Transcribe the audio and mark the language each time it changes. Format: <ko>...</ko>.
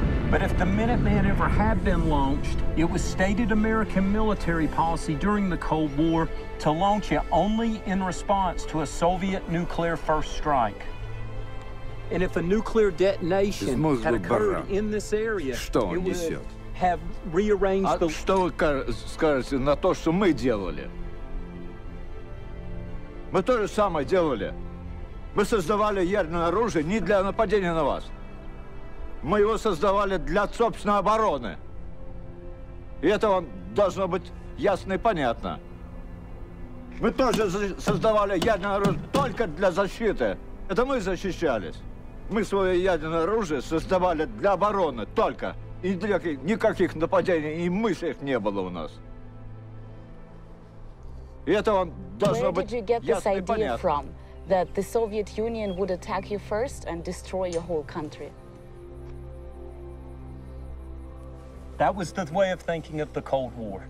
<en>But if the Minuteman ever had been launched, it was stated American military policy during the Cold War to launch it only in response to a Soviet nuclear first strike. And if a nuclear detonation had occurred in this area, it would have rearranged the...</en> <ru>Что вы скажете на то, что мы делали? Мы то же самое делали. Мы создавали ядерное оружие не для нападения на вас. Мы его создавали для собственной обороны. И это вам должно быть ясно и понятно. Мы тоже создавали ядерное оружие только для защиты. Это мы защищались. Мы свое ядерное оружие создавали для обороны только. И никаких нападений и мыслей не было у нас. И это вам должно быть ясно и понятно.</ru> <en>Where did you get this idea from, that the Soviet Union would attack you first and destroy your whole country? That was the way of thinking of the Cold War.</en>